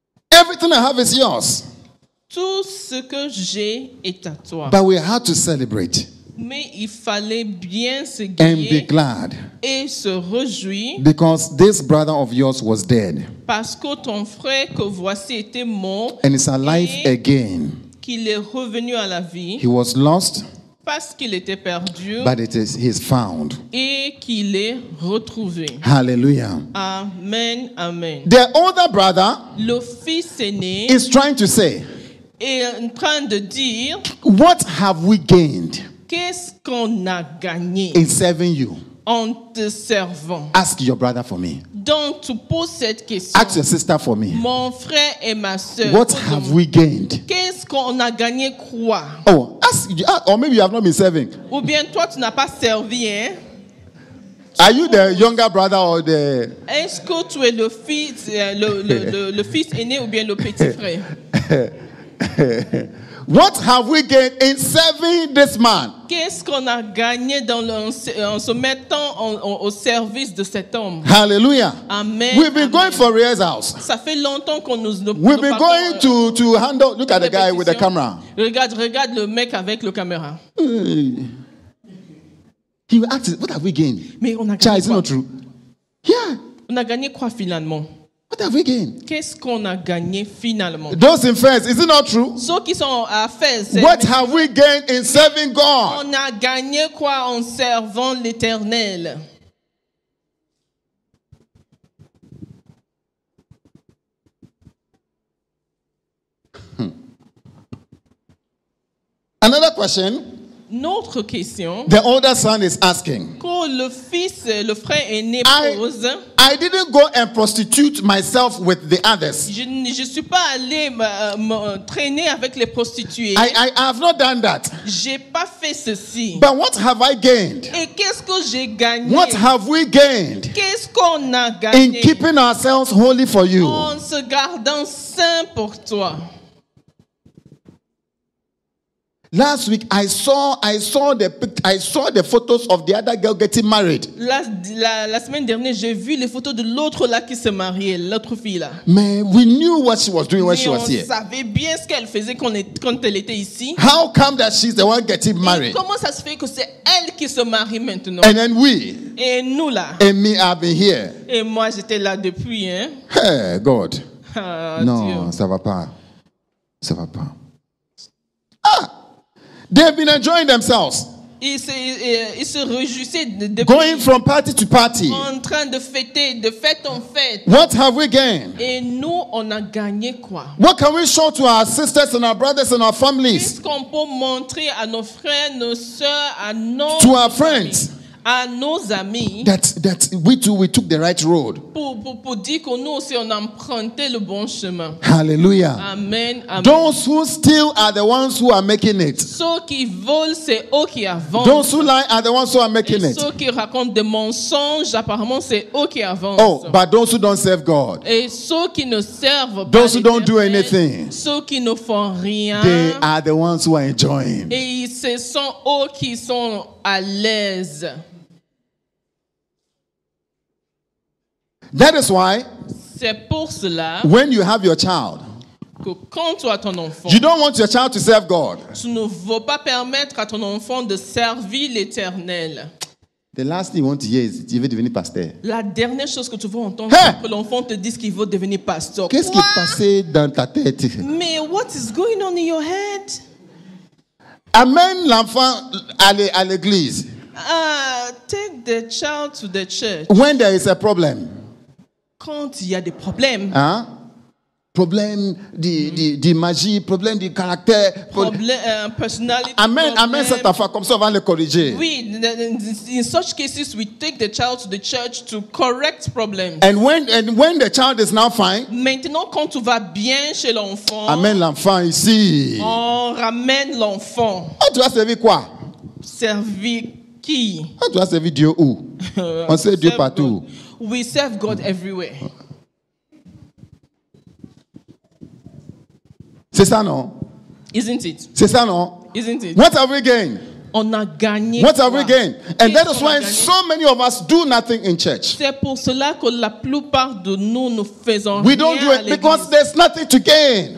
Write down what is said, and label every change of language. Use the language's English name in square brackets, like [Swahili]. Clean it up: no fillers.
[English] Everything I have is yours. [French] Tout ce que j'ai est à toi. [English] But we had to celebrate. [French] Mais il fallait bien se [English] guider and be glad [French] et se réjouir [English] because this brother of yours was dead. [French] Parce que ton frère que voici était mort [English] and is alive [French] et [English] again. [French] Qu'il est revenu à la vie. [English] He was lost. [French] Parce qu'il était perdu, [English] but it is he's found. [French] Et qu'il est retrouvé. Hallelujah. Amen, amen. [English] The older brother, [French] le fils aîné, [English] is trying to say, [French] est en train de dire, [English] what have we gained? [French] Qu'est-ce qu'on a gagné? [English] In serving you. [French] En te servant. [English] Ask your brother for me. [French] Donc tu poses cette question. [English] Ask your sister for me. [French] Mon frère et ma sœur. [English] What have we gained? [French] Qu'est-ce qu'on a gagné quoi? [English] Oh, ask. Or maybe you have not been serving. [French] Ou bien toi tu n'as pas servi, hein? [English] Are you the younger brother or the? [French] Est-ce que tu es le fils, le fils aîné ou bien le petit frère? [English] What have we gained in serving this man? [French] Qu'est-ce qu'on a gagné dans en se mettant au service de cet homme? Hallelujah. Amen. [English] We've been amen. Going for Ria's house. [French] Ça fait longtemps qu'on nous [English] We've been parlons, going to handle. Look at the guy with the camera. [French] Regarde le mec avec le caméra. [English] He asked, "What have we gained?" [French] Mais on a gagné. [English] Is it not true? Yeah. [French] On a gagné quoi finalement? [English] What have we gained? [French] Qu'est-ce qu'on a gagné finalement? [English] Those in Fez, is it not true? [French] Ceux qui sont à Fez, [English] what have we gained in serving God? [French] On a gagné quoi en servant l'Éternel? [English] Another question. [French] Notre question. [English] The older son is asking. [French] Le fils, le frère aîné pose. [English] I didn't go and prostitute myself with the others. [French] Je suis pas allé me traîner avec les prostituées. [English] I have not done that. [French] J'ai pas fait ceci. [English] But what have I gained? [French] Et qu'est-ce que j'ai gagné? [English] What have we gained? [French] Qu'est-ce qu'on a gagné? [English] In keeping ourselves holy for you. [French] En se gardant saint pour toi. [English] Last week I saw the photos of the other girl getting married. [French] La semaine dernière j'ai vu les photos de l'autre là qui se mariait, l'autre fille là. [English] Mais we knew what she was doing when she was here. [French] On savait bien ce qu'elle faisait quand elle était ici. [English] How come that she's the one getting married? [French] Et comment ça se fait que c'est elle qui se marie maintenant? [English] And then we. [French] Et nous là. [English] And me I've been here. [French] Et moi j'étais là depuis hein. [English] Hey God. Ah, [French] non, Dieu. Ça va pas. Ça va pas. [English] They've been enjoying themselves. [French] Ils se réjouissaient de [English] going from party to party. [French] En train de fêter, de fête en fête. [English] What have we gained? [French] Et nous, on a gagné quoi? [English] What can we show to our sisters and our brothers and our families? [French] Qu'est-ce qu'on peut montrer à nos frères, nos sœurs, à nos [English] to our friends? [French] À nos amis. [English] That we too we took the right road. [French] Pour dire que nous aussi on a emprunté le bon chemin. Hallelujah. Amen. Amen. [English] Those who steal are the ones who are making it. [French] Ceux qui volent c'est eux qui avancent. [English] Those who lie are the ones who are making it. [French] Ceux qui racontent des mensonges apparemment c'est eux qui avancent. [English] Oh, but those who don't serve God. [French] Et ceux qui ne servent pas. [English] Those who don't do anything. [French] Ceux qui ne font rien. [English] They are the ones who are enjoying. [French] Et ce sont eux qui sont à l'aise. [English] That is why, [French] c'est pour cela, [English] when you have your child, [French] que quand tu as ton enfant, [English] you don't want your child to serve God. [French] Tu ne veux pas permettre à ton enfant de servir l'Éternel. [English] The last thing you want to hear is, [French] "Tu veux devenir pasteur." La dernière chose que tu veux entendre, hey! C'est que l'enfant te dise qu'il veut devenir pasteur. Qu'est-ce qui est passé dans ta tête? [English] Mais what is going on in your head? [French] Amène l'enfant à l'église. [English] Take the child to the church. When there is a problem. [French] Quand il y a des problèmes. Hein? Problème de magie, problème de caractère. Personnalité. Amen, cette affaire, comme ça on va le corriger. [English] Oui, in such cases, we take the child to the church to correct problems. And when the child is now fine. [French] Maintenant, quand tu vas bien chez l'enfant. Amen, l'enfant ici. On ramène l'enfant. Ah, tu vas servir quoi? Servir qui? Ah, tu vas servir Dieu où? On sait Dieu partout. [English] We serve God everywhere. [French] C'est ça, non? [English] Isn't it? [French] C'est ça, non? [English] Isn't it? What have we gained? [French] On a gagné. [English] What have we gained? And that is why so many of us do nothing in church. [French] C'est pour cela que la plupart de nous ne faisons rien. [English] We don't do it because there's nothing to gain.